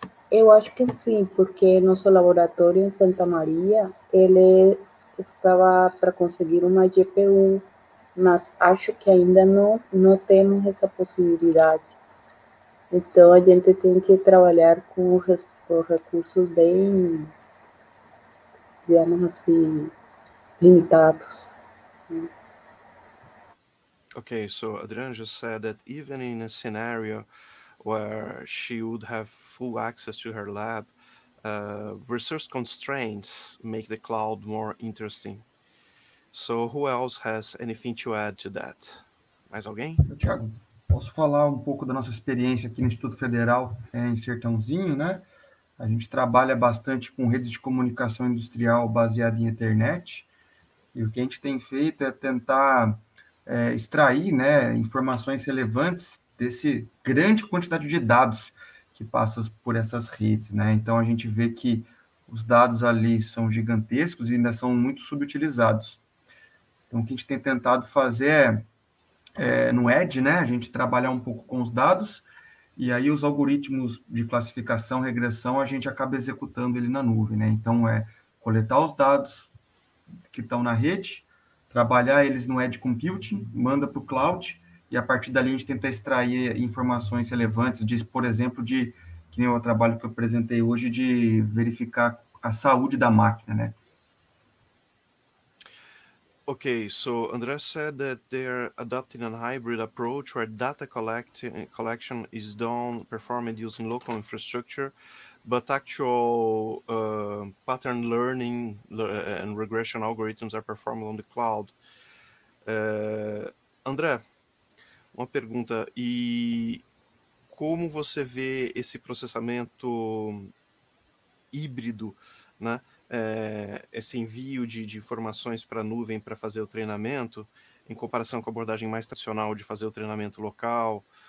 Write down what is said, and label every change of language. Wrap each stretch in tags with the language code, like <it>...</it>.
<pt>Eu acho que sim, porque nosso laboratório em Santa Maria, ele estava para conseguir uma GPU, mas acho que ainda não temos essa possibilidade. Então a gente tem que trabalhar com recursos bem, digamos assim, limitados.</pt> <en>Okay, so Adriana just said that even in a scenario where she would have full access to her lab, resource constraints make the cloud more interesting. So who else has anything to add to that?</en> <pt>Mais alguém? Thiago, posso falar um pouco da nossa experiência aqui no Instituto Federal em Sertãozinho, né? A gente trabalha bastante com redes de comunicação industrial baseada em internet. E o que a gente tem feito é tentar extrair, né, informações relevantes desse grande quantidade de dados que passa por essas redes, né? Então, a gente vê que os dados ali são gigantescos e ainda são muito subutilizados. Então, o que a gente tem tentado fazer no Edge, né, a gente trabalhar um pouco com os dados e aí os algoritmos de classificação, regressão, a gente acaba executando ele na nuvem, né? Então, coletar os dados que estão na rede, trabalhar eles no Edge Computing, manda para o cloud, e a partir dali a gente tenta extrair informações relevantes, por exemplo, de que nem o trabalho que eu apresentei hoje, de verificar a saúde da máquina, né?</pt> <en>Ok, so André said that they're adopting a hybrid approach where data collection is done, performed using local infrastructure, but actual pattern learning and regression algorithms are performed on the cloud.</en> <pt>André, uma pergunta. E como você vê esse processamento híbrido, né? Esse envio de informações para a nuvem para fazer o treinamento, em comparação com a abordagem mais tradicional de fazer o treinamento local?</pt>